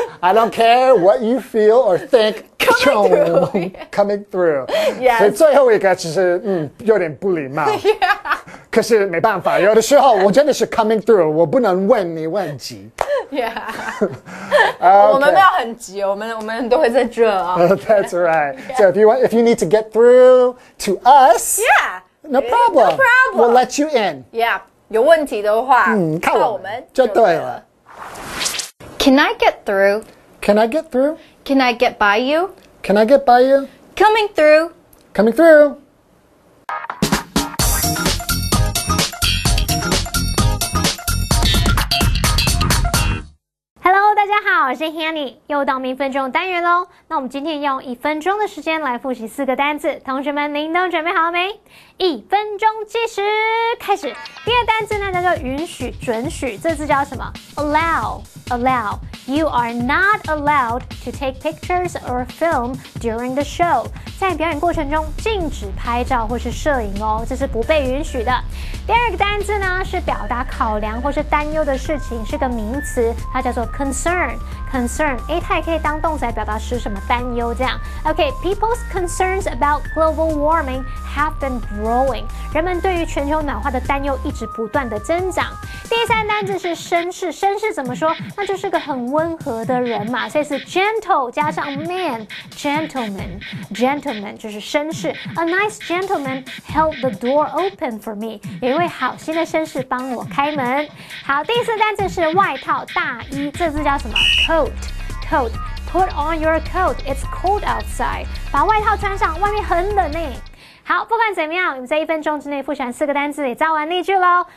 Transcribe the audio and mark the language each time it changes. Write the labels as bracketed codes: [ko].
[en] I don't care what you feel or think. Coming through. Coming through. Yeah. [zh] 所以最后一个其实有点不礼貌。 [en] Yeah. [zh] 可是没办法，有的时候我真的是 [en] coming through， [zh] 我不能问你问题。 [en] Yeah. Okay. [zh] 我们不要很急，我们都会在这啊。 [en] That's right. Yeah. So if you need to get through to us, yeah, no problem. No problem. We'll let you in. Yeah. [zh] 有问题的话，靠我们就对了。 [en] Can I get through? Can I get through? Can I get by you? Can I get by you? Coming through. Coming through. Hello, [zh] 大家好，我是 Hanny， 又到明分钟单元喽。那我们今天用一分钟的时间来复习四个单字，同学们您都准备好了没？一分钟计时开始。第一个单字呢，叫做允许、准许，这字叫什么 ？Allow, allow. [en] You are not allowed to take pictures or film during the show. [zh] 在表演过程中禁止拍照或是摄影哦，这是不被允许的。第二个单字呢，是表达考量或是担忧的事情，是个名词，它叫做 concern。 Concern, 诶，它也可以当动词来表达是什么担忧这样。 [en] Okay, people's concerns about global warming have been growing. [zh] 人们对于全球暖化的担忧一直不断的增长。第三单字是绅士，绅士怎么说？那就是个很温和的人嘛，所以是 gentle 加上 man, gentleman, gentleman 就是绅士。 [en] A nice gentleman held the door open for me. [zh] 有一位好心的绅士帮我开门。好，第四单字是外套、大衣，这字叫什么？ [en] Coat, coat, put on your coat. It's cold outside. [zh] 把外套穿上，外面很冷呢。好，不管怎么样，你们在一分钟之内复习完四个单字，也造完例句喽。